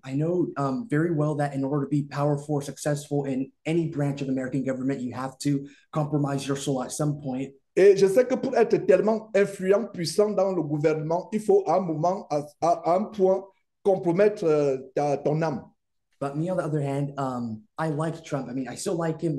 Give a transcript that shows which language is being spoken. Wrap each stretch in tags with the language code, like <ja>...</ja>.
<en>I know very well that in order to be powerful or successful in any branch of American government, you have to compromise your soul at some point.</en> <fr>Et je sais que pour être tellement influent, puissant dans le gouvernement, il faut à un moment, à un point, compromettre ton âme.</fr> <en>But me, on the other hand, I liked Trump. I mean, I still like him.</en>